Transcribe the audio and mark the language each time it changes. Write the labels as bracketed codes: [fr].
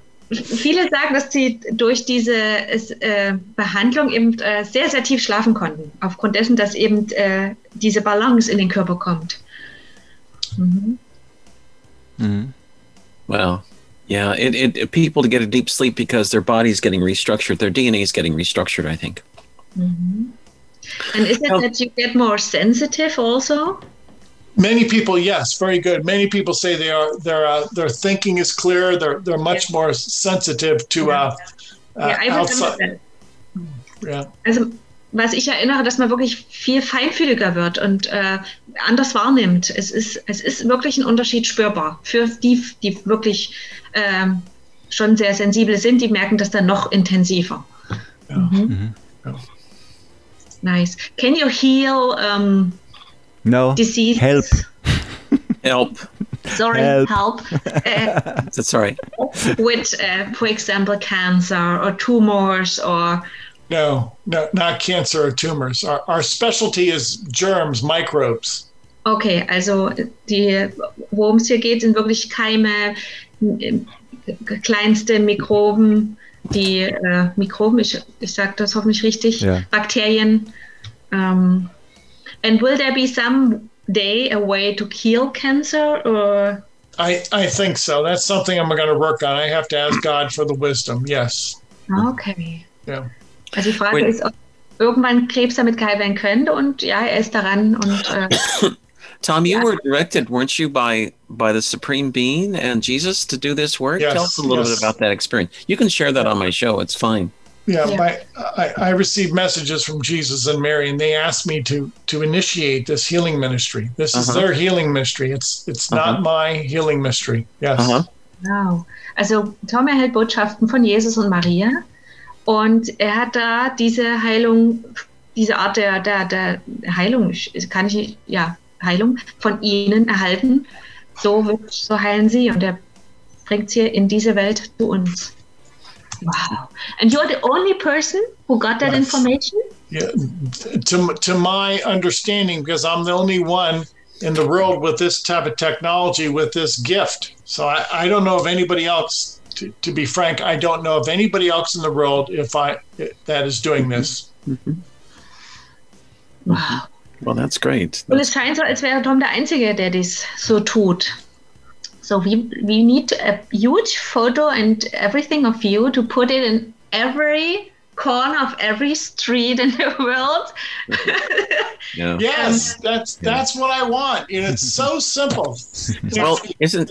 [de] Viele sagen, dass sie durch diese Behandlung eben sehr, sehr tief schlafen konnten, aufgrund dessen, dass eben diese Balance in den Körper kommt. Mm-hmm. [en] Well, yeah, it people to get a deep sleep because their body is getting restructured, their DNA is getting restructured, I think. Mm-hmm. And is it that you get more sensitive also? Many people, yes, very good. Many people say their thinking is clearer, they're much more sensitive to outside. Yeah. [de] Also, was ich erinnere, dass man wirklich viel feinfühliger wird und anders wahrnimmt. Es ist wirklich ein Unterschied spürbar. Für die wirklich schon sehr sensibel sind, die merken das dann noch intensiver. Ja. [en] Mhm. Ja. Nice. Can you heal disease? Help. Help. Sorry, help. Sorry. With, for example, cancer or tumors or... No, not cancer or tumors. Our specialty is germs, microbes. [de] Okay, also die, worum es hier geht, sind wirklich Keime, kleinste Mikroben, die Mikroben, ich sage das hoffentlich richtig, [en] yeah. [de] Bakterien. [en] And will there be some day a way to kill cancer? Or? I think so. That's something I'm going to work on. I have to ask God for the wisdom. Yes. Okay. Yeah. [de] Also die Frage [en] Wait. [de] Ist, ob irgendwann Krebs damit geheilt werden könnte. Und ja, er ist daran. Und, [en] Tom, you were directed, weren't you, by the Supreme Being and Jesus to do this work? Yes. Tell us a little yes. bit about that experience. You can share that on my show. It's fine. Yeah, I received messages from Jesus and Mary, and they asked me to initiate this healing ministry. This is their healing ministry. It's not my healing mystery. Yes. Wow. [de] Also Tom erhält Botschaften von Jesus und Maria, und er hat da diese Heilung, diese Art der Heilung, kann ich ja Heilung von ihnen erhalten. So heilen sie, und er bringt sie in diese Welt zu uns. [en] Wow. And you're the only person who got that information? Yeah. To my understanding, because I'm the only one in the world with this type of technology, with this gift. So I don't know of anybody else, to be frank, I don't know of anybody else in the world that is doing this. Wow. Well, that's great. [de] Und es scheint so, als wäre Tom der Einzige, der das so tut. [en] So we need a huge photo and everything of you to put it in every corner of every street in the world. Yeah. Yes, that's what I want. And it's so simple. Well, isn't